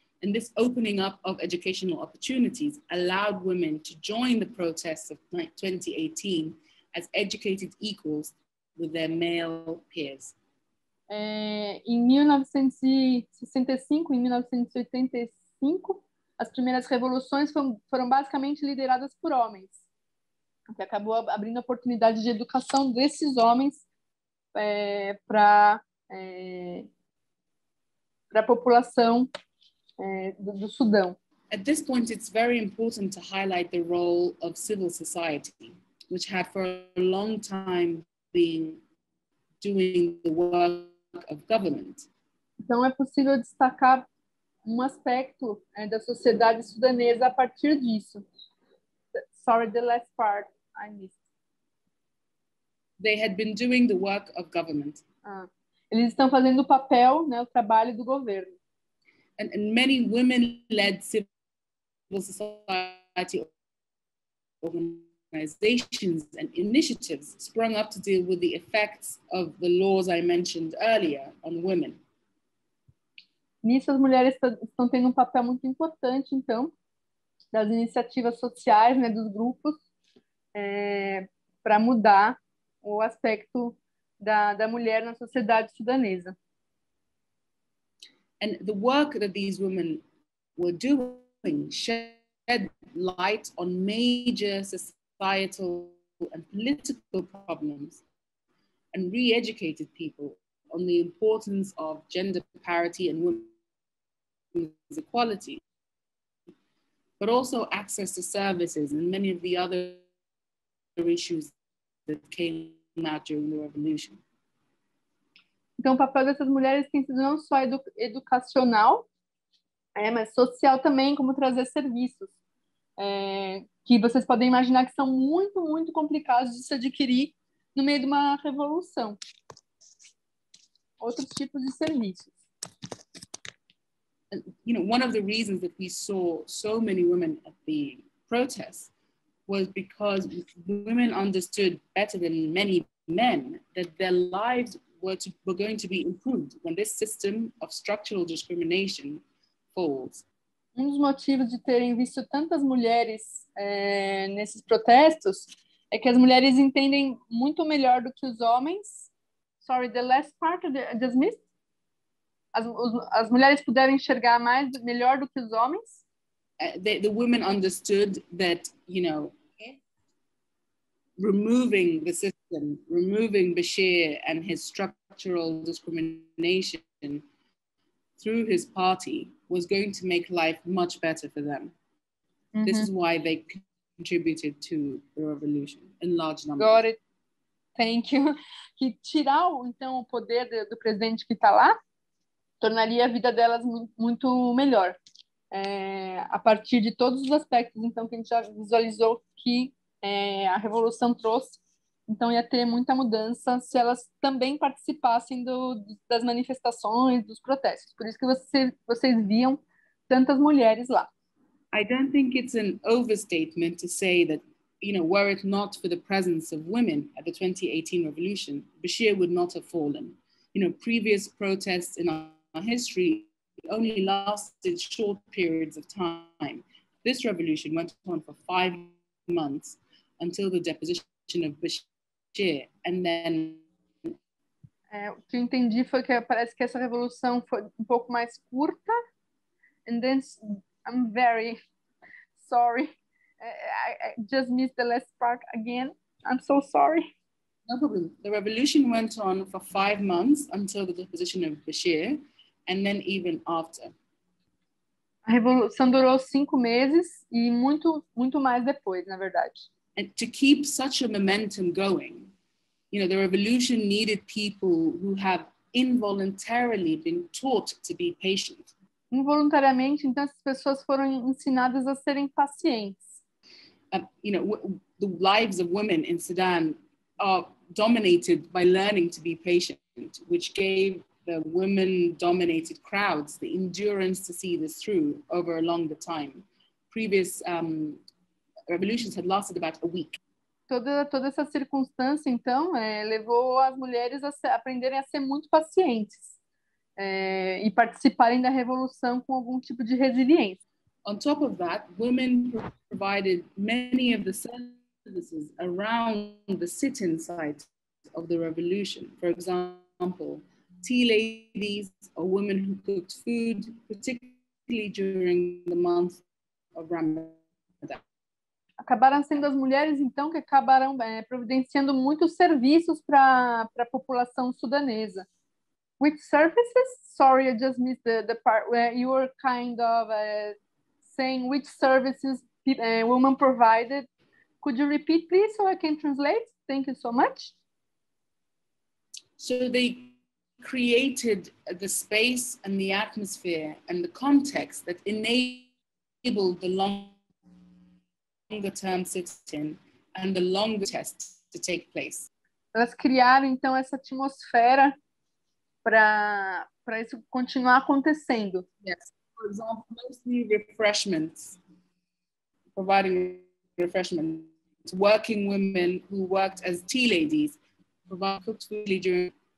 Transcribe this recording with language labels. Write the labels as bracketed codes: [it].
[en] And this opening up of educational opportunities allowed women to join the protests of 2018 as educated equals with their male peers. [pt] Em 1965 e 1985, as primeiras revoluções foram basicamente lideradas por homens, o que acabou abrindo oportunidade de educação desses homens para a população do Sudão. [en] At this point, it's very important to highlight the role of civil society, which had for a long time been doing the work of government. [pt] Então é possível destacar um aspecto da sociedade sudanesa a partir disso. [en] Sorry, the last part I missed. They had been doing the work of government. [pt] Eles estão fazendo o papel, né, o trabalho do governo. [en] And many women led civil society organizations and initiatives sprung up to deal with the effects of the laws I mentioned earlier on women. [pt] Nisso, as mulheres estão tendo um papel muito importante, então, das iniciativas sociais, né, dos grupos, para mudar o aspecto da mulher na sociedade sudanesa. [en] And the work that these women were doing shed light on major societal and political problems and re-educated people on the importance of gender parity and women's equality, but also access to services and many of the other issues that came out during the revolution. [pt] Então, o papel dessas mulheres tem sido não só educacional, mas social também, como trazer serviços. Que vocês podem imaginar que são muito, muito complicados de se adquirir no meio de uma revolução. Outros tipos de serviços. [en] You know, one of the reasons that we saw so many women at the protests was because women understood better than many men that their lives were going to be improved when this system of structural discrimination falls. [pt] Um dos motivos de terem visto tantas mulheres nesses protestos é que as mulheres entendem muito melhor do que os homens. [en] Sorry, the last part of the dismissed. [pt] As mulheres puderam enxergar mais melhor do que os homens. [en] The women understood that, you know, removing the system, removing Bashir and his structural discrimination through his party was going to make life much better for them. Mm-hmm. This is why they contributed to the revolution in large numbers. Got it. Thank you. [pt] Que tirar, então, o poder do presidente que está lá tornaria a vida delas muito melhor. A partir de todos os aspectos, então, que a gente já visualizou que a revolução trouxe, então ia ter muita mudança se elas também participassem das manifestações, dos protestos. Por isso que vocês viam tantas mulheres lá. [en] I don't think it's an overstatement to say that, you know, were it not for the presence of women at the 2018 revolution, Bashir would not have fallen. You know, previous protests in our history only lasted short periods of time. This revolution went on for 5 months until the deposition of Bashir, and then... [pt] O que eu entendi foi que parece que essa revolução foi um pouco mais curta, [en] and then, I'm very sorry, I just missed the last part again, I'm so sorry. No problem. The revolution went on for 5 months until the deposition of Bashir, and then even after. [pt] A revolução durou 5 meses e muito, muito mais depois, na verdade. [en] And to keep such a momentum going, you know, the revolution needed people who have involuntarily been taught to be patient. [pt] Involuntariamente, então, essas pessoas foram ensinadas a serem pacientes. [en] You know, the lives of women in Sudan are dominated by learning to be patient, which gave the women-dominated crowds the endurance to see this through over a longer time. Previous revolutions had lasted about a week. [pt] Toda essa circunstância, então, levou as mulheres a aprenderem a ser muito pacientes e participarem da revolução com algum tipo de resiliência. [en] On top of that, women provided many of the services around the sit-in sites of the revolution. For example, tea ladies or women who cooked food, particularly during the month of Ramadan. [pt] Acabaram sendo as mulheres, então, que acabaram providenciando muitos serviços para a população sudanesa. [en] Which services? Sorry, I just missed the part where you were kind of... saying which services women provided. Could you repeat, please, so I can translate? Thank you so much. So they created the space and the atmosphere and the context that enabled the longer term sit-in and the longer test to take place. [pt] Elas criaram, então, essa atmosfera para isso continuar acontecendo. [en] Yes. For example, mostly refreshments, providing refreshments. Working women who worked as tea ladies provide cooked food during.